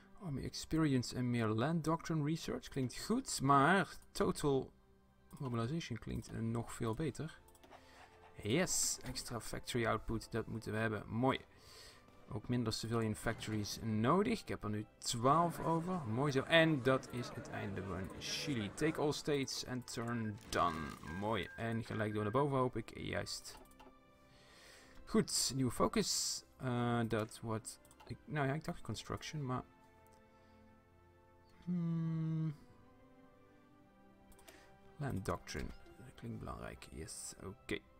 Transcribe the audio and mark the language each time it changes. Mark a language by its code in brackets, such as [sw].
[nl] Meer experience en meer land doctrine research klinkt goed, maar total mobilization klinkt nog veel beter. Yes, extra factory output, dat moeten we hebben. Mooi. Ook minder civilian factories nodig. Ik heb er nu 12 over. Mooi zo. En dat is het einde van Chili. [en] Take all states and turn done. [nl] Mooi. En gelijk door naar boven hoop ik. Juist. Goed, nieuwe focus. Dat wordt. Nou ja, ik dacht construction, maar. Land doctrine. Dat klinkt belangrijk. Yes, oké.